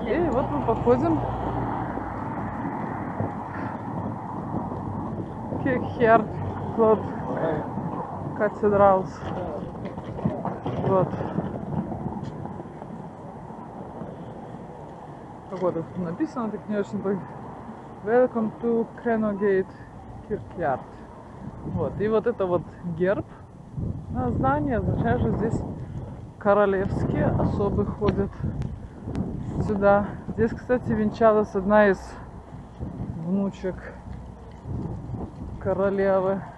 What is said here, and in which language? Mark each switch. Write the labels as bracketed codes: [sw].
[ru] И вот мы подходим к Кирхерклот Катедралс. Вот. Как вот это написано, так не очень так. [en] Welcome to Canongate Kirkyard. [ru] Вот. И вот это вот герб на здании означает, что здесь королевские особы ходят сюда. Здесь, кстати, венчалась одна из внучек королевы.